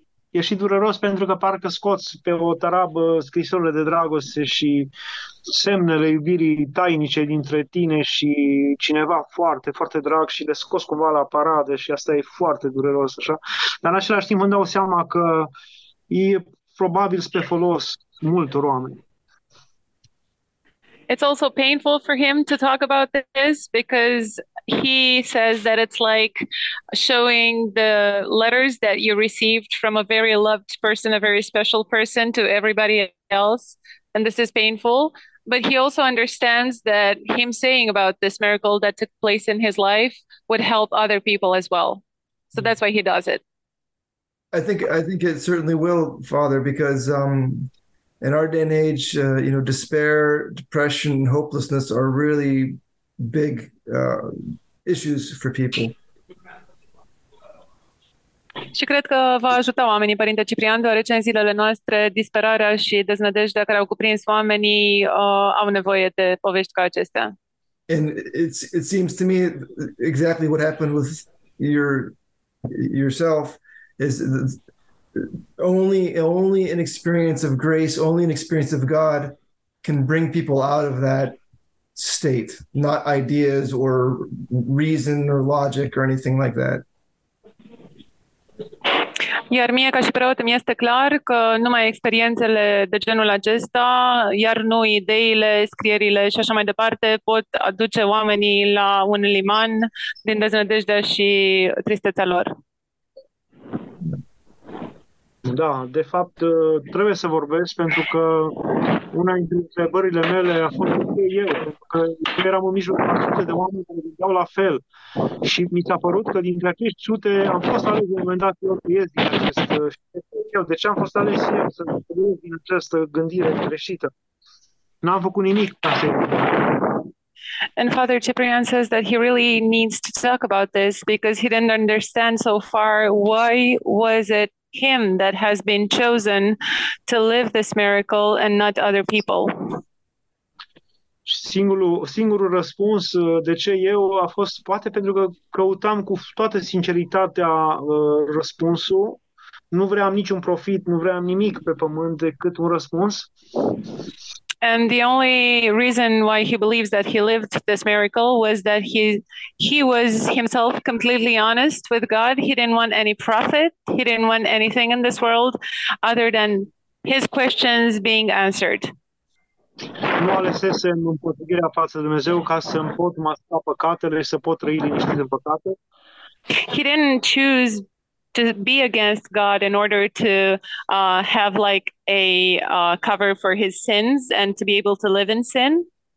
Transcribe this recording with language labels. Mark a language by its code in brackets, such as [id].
[ro] E și dureros pentru că parcă scoți pe o tarabă scrisorile de dragoste și semnele iubirii tainice dintre tine și cineva foarte, foarte drag și le scoți cumva la paradă și asta e foarte dureros, așa. Dar în același timp îmi dau seama că e probabil spre folos multor oameni. [en] It's also painful for him to talk about this because he says that it's like showing the letters that you received from a very loved person, a very special person to everybody else. And this is painful. But he also understands that him saying about this miracle that took place in his life would help other people as well. So that's why he does it. I think it certainly will, Father, because in our day and age, you know, despair, depression, hopelessness are really big issues for people. [ro] Și cred că va ajuta oamenii, Părinte Ciprian, deoarece în zilele noastre disperarea și deznădejdea care au cuprins oamenii au nevoie de povești ca acestea. [en] And it seems to me exactly what happened with yourself is only an experience of grace, only an experience of God can bring people out of that state, not ideas or reason or logic or anything like that. [ro] Iar mie, ca și preot, îmi este clar că numai experiențele de genul acesta, iar nu ideile, scrierile și așa mai departe, pot aduce oamenii la un liman din deznădejdea și tristețea lor. Da, de fapt, trebuie să vorbesc pentru că una dintre întrebările mele a fost de eu, pentru că eram în mijlocul sute de oameni care gândeau la fel și mi s-a părut că dintre acești sute am fost ales la un moment dat eu să ies din acest eu, de ce am fost ales eu să trăiesc din această gândire greșită? N-am făcut nimic ca să... [en] And Father Ciprian says that he really needs to talk about this because he didn't understand so far why was it him that has been chosen to live this miracle and not other people. [ro] Singurul răspuns de ce eu a fost poate pentru că căutam cu toată sinceritatea răspunsul. Nu vreau niciun profit, nu vreau nimic pe pământ decât un răspuns. [en] And the only reason why he believes that he lived this miracle was that he was himself completely honest with God. He didn't want any profit. He didn't want anything in this world other than his questions being answered. [ro] Nu alesese împotrivirea față de Dumnezeu ca să îmi pot masca păcatele și să pot trăi liniștit în păcate. [en] He didn't choose to be against God in order to have like a cover for his sins and to be able to live in sin.